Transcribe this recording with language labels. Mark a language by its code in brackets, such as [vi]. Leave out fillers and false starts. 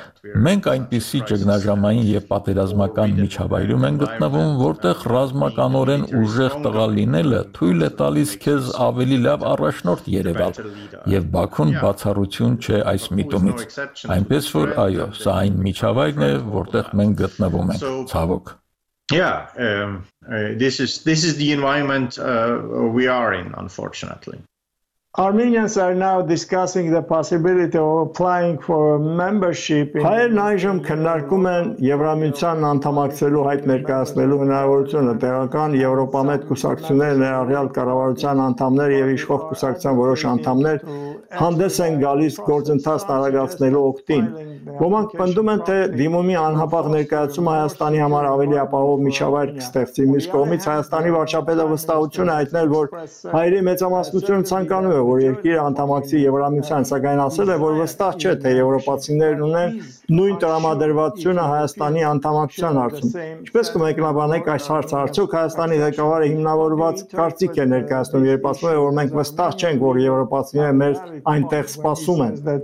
[hy] Մենք այնպիսի ճգնաժամային և պատերազմական միջավայրում են գտնվում, որտեղ ռազմականորեն ուժեղ տղա լինելը թույլ է տալիս քեզ ավելի լավ առաջնորդ երևալ, և Բաքուն բացառություն չէ այս միտումից։ Այնպես որ, այո, սա այն միջավայրն է, որտեղ մենք գտնվում ենք, ցավոք։ [en] Yeah, this is the environment we are in, unfortunately. Armenians are now discussing the possibility of applying for membership in [hy] Հայերն այժմ քննարկում են Եվրամիության անդամակցելու հայտ ներկայացնելու հնարավորությունը, տեղական Եվրոպամետ կուսակցությունները, ներառյալ կառավարության անդամներ և իշխող կուսակցության որոշ անդամներ հանդես են գալիս գործընթաց տարագացնելու օգտին։ Ոմանք պնդում են, թե դիմումի անհապաղ ներկայացումը Հայաստանի համար ավելի ապահով միջավայր կստեղծի։ Մյուս կողմից Հայաստանի վարչապետը վստահություն է հայտնել, որ հայերի մեծամասնությունը ցանկանում է, որ երկիրը անդամակցի Եվրամիության, սակայն ասել է, որ վստահ չէ, թե եվրոպացիներն ունեն նույն տրամադրվածությունը Հայաստանի անդամակցության հարցում։ Ինչպես կմեկնաբանեք այս հարցը, արդյոք Հայաստանի ղեկավարը հիմնավորված կարծիք է ներկայացնում, երբ ասում է, որ մենք վստահ չենք, որ եվրոպացիները մեզ այնտեղ սպասում են։